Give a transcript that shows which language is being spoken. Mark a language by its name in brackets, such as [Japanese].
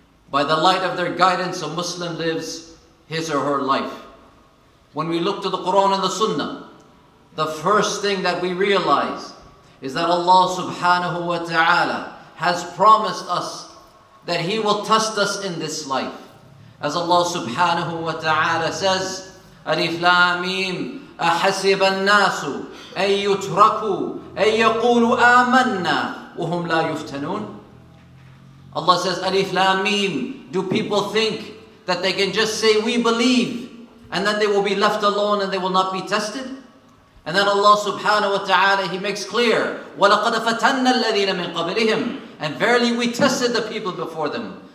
[English] By the light of their guidance, a Muslim lives his or her life. When we look to the Quran and the Sunnah, the first thing that we realize is that Allah subhanahu wa ta'ala has promised us that He will test us in this life. As Allah subhanahu wa ta'ala says, [Arabic] أَلِفْ لَا مِيمْ أَحَسِبَ النَّاسُ أَن يُتْرَكُوا أَن يَقُولُوا آمَنَّا وَهُمْ لَا يُفْتَنُونَ. [English] Allah says, Alif Lam Mim, do people think that they can just say, we believe, and then they will be left alone and they will not be tested? And then Allah subhanahu wa ta'ala, He makes clear, [Arabic] وَلَقَدْ فَتَنَّ الَّذِينَ مِنْ قَبْلِهِمْ, [English] and verily we tested the people before them.